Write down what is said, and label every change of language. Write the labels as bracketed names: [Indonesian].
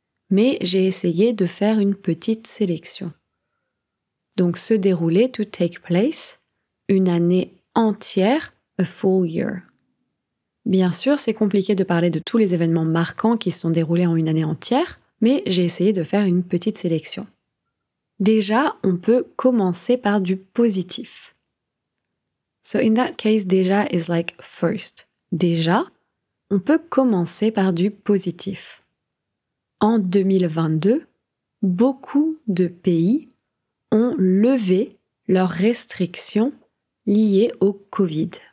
[French] Mais j'ai essayé de faire une petite sélection. Donc, se dérouler, [English] to take place, [French] une année entière, [English] a full year. [French] Bien sûr, c'est compliqué de parler de tous les événements marquants qui se sont déroulés en une année entière, mais j'ai essayé de faire une petite sélection. Déjà, on peut commencer par du positif. [English] So in that case, déjà is like first. [French] Déjà, on peut commencer par du positif. En 2022, beaucoup de pays ont levé leurs restrictions liées au Covid.